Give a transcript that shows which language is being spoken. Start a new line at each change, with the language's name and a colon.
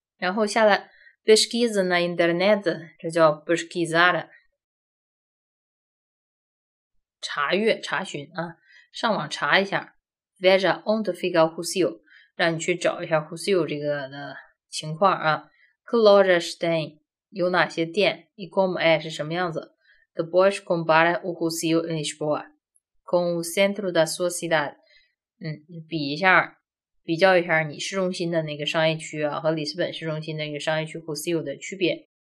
Chinese: 然后下来
Portuguese: pesquisa na internet，
Chinese: 这叫 pesquisar 查询啊，上网查一下。
Portuguese: Veja onde fica o Rússio，
Chinese: 让你去找一下 Rússio 这个的情况啊。
Portuguese: Que lojas tem，
Chinese: 有哪些店，
Portuguese: e como é，
Chinese: 是什么样子。
Portuguese: The boys compara o Rússio em Lisboa com o centro da sua cidade，
Chinese: 比较一下你市中心的那个商业区啊，和里斯本市中心的那个商业区 Rússio 的区别。